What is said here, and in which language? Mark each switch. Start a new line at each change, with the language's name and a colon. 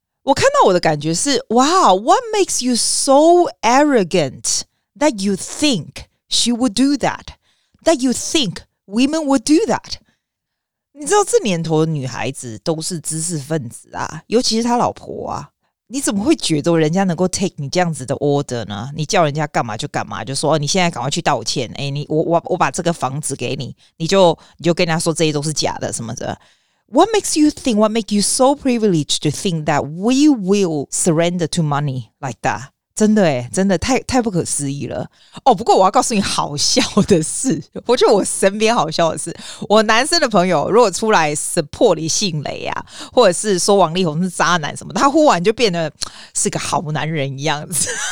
Chinese: 我看到我的感觉是
English: wow what makes you so arrogant that you think she would do that
Chinese: that you think women would do that， 你知道这年头的女孩子都是知识分子啊，尤其是她老婆啊，你怎么会觉得人家能够 take 你这样子的 order 呢？你叫人家干嘛就干嘛，就说你现在赶快去道歉，诶你 我把这个房子给你，你就跟人家说这些都是假的什么的。
English: What makes you think, what makes you so privileged to think that we will surrender to money like that?
Chinese: 真的耶，真的太不可思议了。哦，不过我要告诉你好笑的事，我觉得我身边好笑的事，我男生的朋友如果出来 support 李信蕾啊，或者是说王力宏是渣男什么，他忽然就变得是个好男人一样子。